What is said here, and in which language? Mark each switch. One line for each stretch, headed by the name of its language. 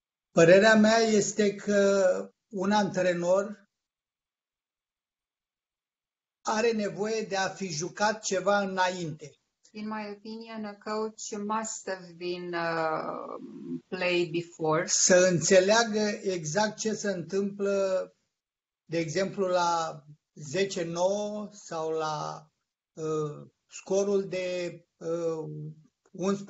Romanian: Părerea mea este că un antrenor are nevoie de a fi jucat ceva înainte.
English: In my opinion, a coach must have been played before.
Romanian: Să înțeleagă exact ce se întâmplă, de exemplu, la 10-9 sau la scorul de 11-11.